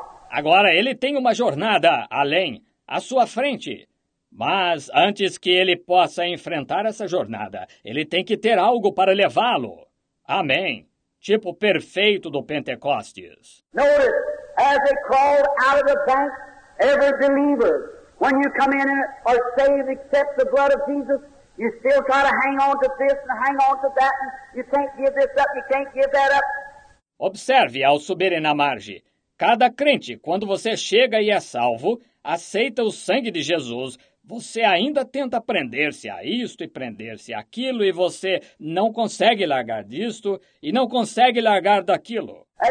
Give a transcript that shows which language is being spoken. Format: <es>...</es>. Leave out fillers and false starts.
<pt>Agora ele tem uma jornada além, à sua frente. Mas antes que ele possa enfrentar essa jornada, ele tem que ter algo para levá-lo. Amém. Tipo perfeito do Pentecostes.</pt> <en>Notice, as they crawled out of the bank, every believer, when you come in and are saved, accept the blood of Jesus, you still try to hang on to this and hang on to that, and you can't give this up, you can't give that up.</en> <pt>Observe ao subirem na margem. Cada crente, quando você chega e é salvo, aceita o sangue de Jesus, você ainda tenta prender-se a isto e prender-se àquilo e você não consegue largar disto e não consegue largar daquilo.</pt>